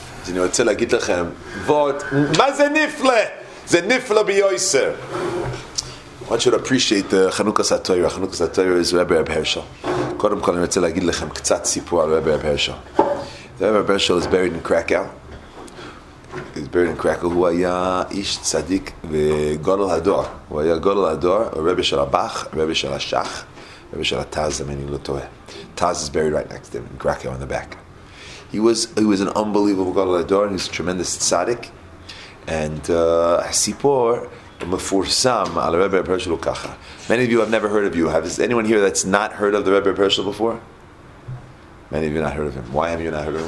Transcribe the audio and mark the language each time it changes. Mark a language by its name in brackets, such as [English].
[Hebrew] אני רוצה להגיד לכם, מה זה נפלא? זה נפלא ביויסר. [English] I want you to appreciate the Chanukah Satoira. Chanukah Satoira is Rebbe Reb Hershel. [Hebrew] קודם כל אני רוצה להגיד לכם קצת סיפור על Rebbe Reb Hershel. [English] Rebbe Reb Hershel is buried in Krakow. He's buried in Krakow. [Hebrew] הוא היה איש צדיק וגודל הדור. הוא היה גודל הדור, רבי של הבח, רבי של השח, רבי של הטאז, אם אני לא טועה. [English] טאז is buried right next to him in Krakow on the back. He was an unbelievable Gadol HaDor, and he was a tremendous tzaddik. [Hebrew] And Sipor Mefursam al Rebbe Reb Hershel Kacha. [English] Many of you have never heard of you. Is anyone here that's not heard of the Rebbe Reb Hershel before? Many of you have not heard of him. Why have you not heard of him?